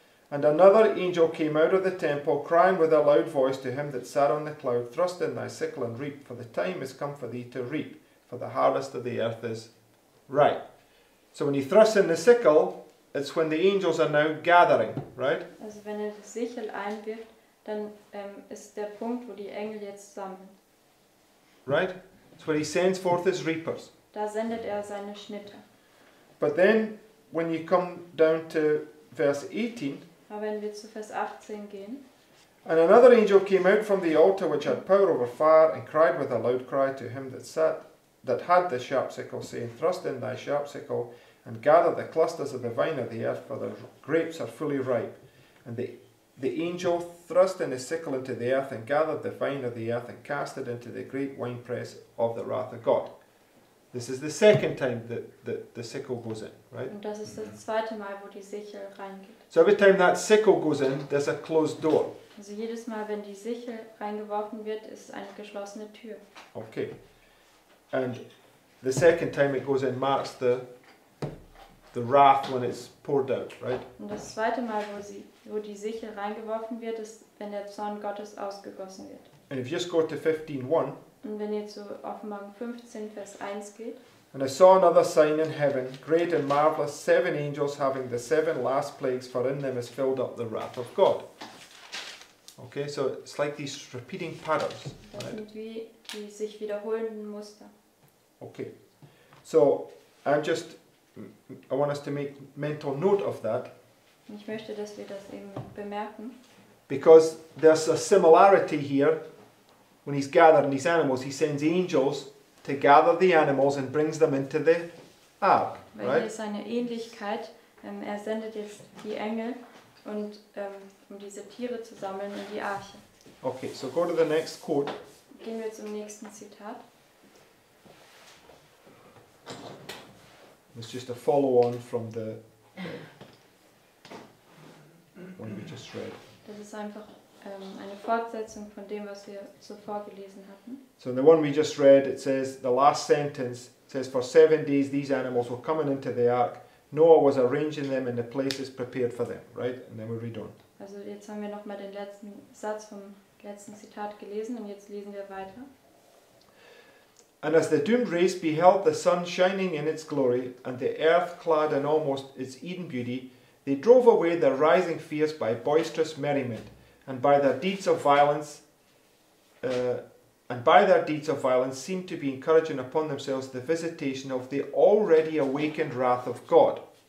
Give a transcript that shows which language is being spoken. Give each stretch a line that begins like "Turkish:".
English: And another angel came out of the temple, crying with a loud voice to him that sat on the cloud, thrust in thy sickle and reap, for the time is come for thee to reap, for the harvest of the earth is ripe. So when he thrusts in the sickle, it's when the angels are now gathering, right?
German: Also wenn die Sichel einwirft, dann ist der Punkt, wo die Engel jetzt sammeln.
English: Right? It's when he sends forth his reapers.
German: Da sendet seine Schnitter.
English: But then, when you come down to verse 18,
German: aber wenn wir zu Vers 18 gehen,
English: and another angel came out from the altar which had power over fire, and cried with a loud cry to him that sat, that had the sharp sickle, saying, thrust in thy sharp sickle, and gather the clusters of the vine of the earth, for the grapes are fully ripe. And the angel thrust in his sickle into the earth, and gathered the vine of the earth, and cast it into the great winepress of the wrath of God. This is the second time that the sickle goes in, right?
German: Und das ist das zweite Mal, wo die Sichel reingeht.
English: So every time that sickle goes in, there's a closed door.
German: Also jedes Mal, wenn die Sichel reingeworfen wird, ist eine geschlossene Tür.
English: Okay. And the second time it goes in marks the wrath when it's poured out, right?
German: Und das zweite Mal, wo die Sichel reingeworfen wird, ist, wenn der Zorn Gottes ausgegossen wird.
English: And if you just go to 15:1.
German: Und wenn ihr zu Offenbarung 15, Vers 1 geht.
English: And I saw another sign in heaven, great and marvelous, seven angels having the seven last plagues, for in them is filled up the wrath of God. Okay, so it's like these repeating patterns.
German: Das sind wie die sich wiederholenden Muster.
English: Okay, so I want us to make mental note of that.
German: Ich möchte, dass wir das eben bemerken.
English: Because there's a similarity here. When he's gathering these animals, he sends angels to gather the animals and brings them into the ark.
German: Weil
English: right?
German: Hier ist eine Ähnlichkeit. Sendet jetzt die Engel, und diese Tiere zu sammeln in die Arche.
English: Okay, so go to the next quote.
German: Gehen wir zum nächsten Zitat.
English: It's just a follow-on from the one we just read.
German: Das ist einfach eine Fortsetzung von dem, was wir zuvor gelesen hatten.
English: So in the one we just read, it says, the last sentence says, for 7 days these animals were coming into the ark. Noah was arranging them in the places prepared for them, right? And then we read on.
German: Also jetzt haben wir nochmal den letzten Satz vom letzten Zitat gelesen, und jetzt lesen wir weiter.
English: And as the doomed race beheld the sun shining in its glory, and the earth clad in almost its Eden beauty, they drove away their rising fears by boisterous merriment, and by their deeds of violence, and by their deeds of violence seem to be encouraging upon themselves the visitation of the already awakened wrath of God.